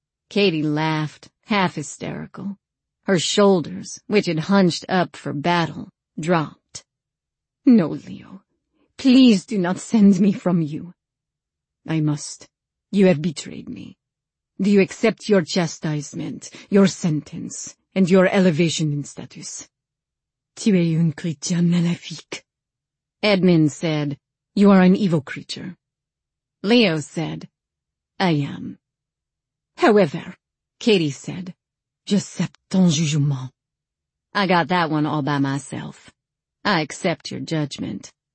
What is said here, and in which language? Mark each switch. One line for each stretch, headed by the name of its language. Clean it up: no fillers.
English: Katie laughed, half hysterical. Her shoulders, which had hunched up for battle, dropped. "No, Leo. Please do not send me from you." "I must. You have betrayed me. Do you accept your chastisement, your sentence, and your elevation in status?"
French: "Tu es une creature maléfique,"
English: Edmund said. "You are an evil creature." Leo said, "I am." "However," Katie said,
French: "j'accepte ton jugement."
English: "I got that one all by myself. I accept your judgment."